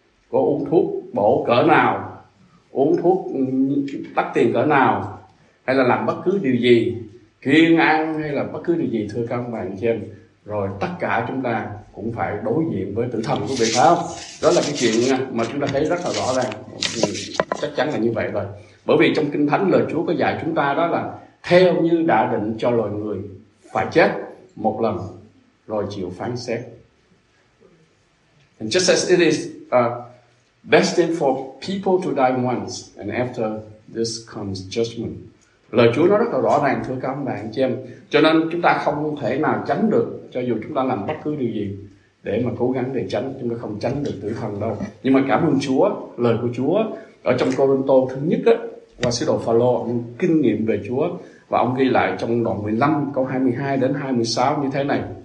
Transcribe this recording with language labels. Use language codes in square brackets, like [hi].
[vi] Có uống thuốc bổ cỡ nào, uống thuốc tắt tiền cỡ nào, hay là làm bất cứ điều gì, kiêng ăn hay là bất cứ điều gì, thưa các ông bà anh chị em, rồi tất cả chúng ta cũng phải đối diện với tử thần, quý vị phải không? Đó là cái chuyện mà chúng ta thấy rất là rõ ràng, chắc chắn là như vậy rồi. Bởi vì trong Kinh Thánh lời Chúa có dạy chúng ta đó là theo như đã định cho loài người phải chết một lần rồi chịu phán xét. [en] And just as it is destined for people to die once and after this comes judgment. [vi] Lời Chúa nó rất là rõ ràng, thưa các bạn chị em. Cho nên chúng ta không thể nào tránh được, cho dù chúng ta làm bất cứ điều gì để mà cố gắng để tránh, chúng ta không tránh được tử thần đâu. Nhưng mà cảm ơn Chúa, lời của Chúa ở trong Côrintô thứ nhất á, qua sứ đồ Phaolô kinh nghiệm về Chúa, và ông ghi lại trong đoạn 15 câu 22 đến 26 như thế này.